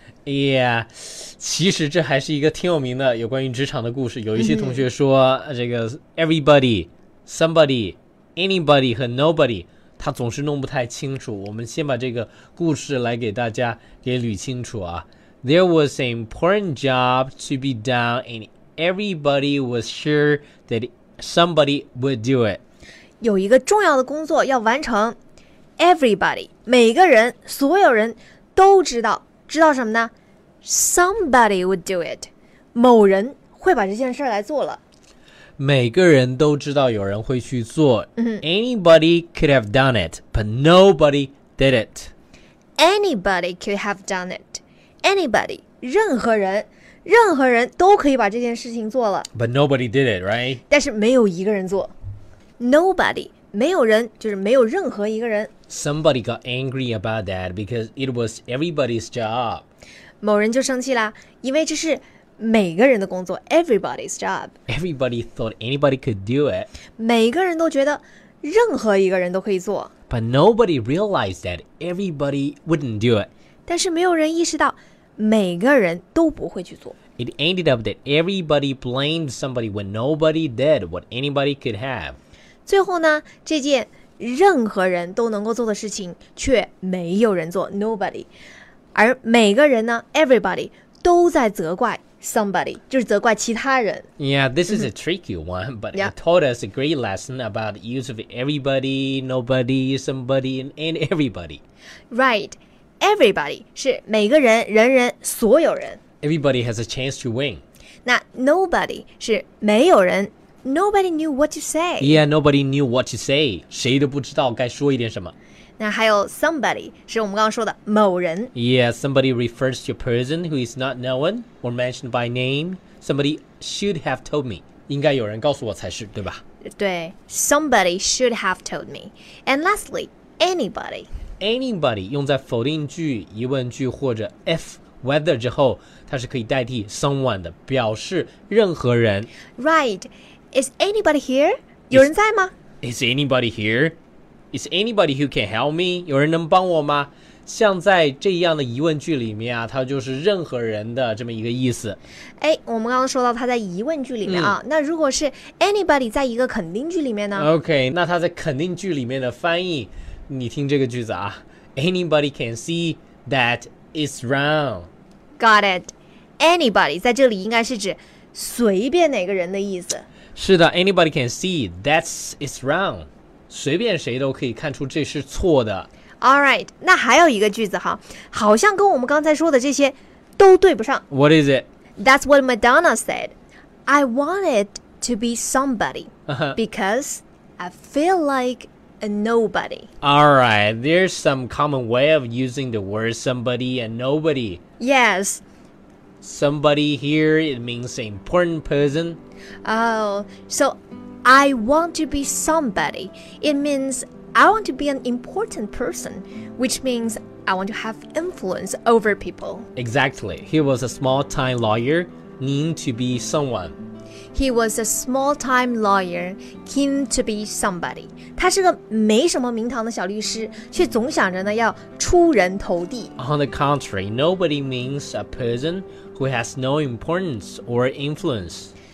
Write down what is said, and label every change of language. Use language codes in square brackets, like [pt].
[zh] Yeah, 其实这还是一个挺有名的有关于职场的故事。有一些同学说，这个 everybody, somebody, anybody 和 nobody， 他总是弄不太清楚。我们先把这个故事来给大家给捋清楚啊。 [en] There was an important job to be done, and everybody was sure that somebody would do it. [zh] 有一个重要的工作要完成。 Everybody, 每个人，所有人都知道，知道什么呢？ [en] Somebody would do it. [zh] 某人会把这件事来做了。每个人都知道有人会去做。 [en] Anybody could have done it, but nobody did it. Anybody could have done it. [zh] Anybody, 任何人，任何人都可以把这件事情做了。 [en] But nobody did it, right? [zh] 但是没有一个人做。Nobody, 没有人，就是没有任何一个人。 [en] Somebody got angry about that because it was everybody's job. [zh] 某人就生气了，因为这是每个人的工作， [en] everybody's job. Everybody thought anybody could do it. [zh] 每个人都觉得任何一个人都可以做。 [en] But nobody realized that everybody wouldn't do it. [zh] 但是没有人意识到每个人都不会去做。 [en] It ended up that everybody blamed somebody when nobody did what anybody could have. [zh] 最后呢，这件任何人都能够做的事情却没有人做 ,nobody。而每个人呢 ,everybody, 都在责怪 somebody, 就是责怪其他人。 [en] Yeah, this is a tricky one, but it taught us a great lesson about the use of everybody, nobody, somebody, and everybody. [zh] Right. Everybody 是每个人，人人，所有人。 [en] Everybody has a chance to win. [zh] 那 nobody 是没有人。 [en] Nobody knew what to say. Yeah, nobody knew what to say. [zh] 谁都不知道该说一点什么。那还有 somebody 是我们刚刚说的某人。 [en] Yeah, somebody refers to a person who is not known or mentioned by name. Somebody should have told me. [zh] 应该有人告诉我才是，对吧？ [en] 对 ，somebody should have told me. And lastly, anybody. [zh] Anybody 用在否定句、疑问句或者 if whether 之后，它是可以代替 someone 的，表示任何人。 [en] Right? Is anybody here? [zh] 有人在吗 [en] ？Is anybody here? Is anybody who can help me? [zh] 有人能帮我吗？像在这样的疑问句里面啊，它就是任何人的这么一个意思。哎，我们刚刚说到它在疑问句里面啊，那如果是 anybody 在一个肯定句里面呢？OK， 那它在肯定句里面的翻译。你听这个句子啊 ， [en] Anybody can see that it's wrong. Got it. [zh] Anybody 在这里应该是指随便哪个人的意思。 [en] 是的 ，Anybody can see that it's wrong. [zh] 随便谁都可以看出这是错的。 [en] All right. [zh] 那还有一个句子哈，好像跟我们刚才说的这些都对不上。 [en] What is it? That's what Madonna said. I wanted to be somebody because I feel like a nobody. All right, there's some common way of using the word somebody and nobody. Yes. Somebody here, it means an important person. Oh, so I want to be somebody. It means I want to be an important person, which means I want to have influence over people. Exactly. He was a small-time lawyer, keen to be someone. He was a small-time lawyer, keen to be somebody. [zh] 他是个没什么名堂的小律师，却总想着呢要出人头地。 [en] On the contrary, nobody means a person who has no importance or influence.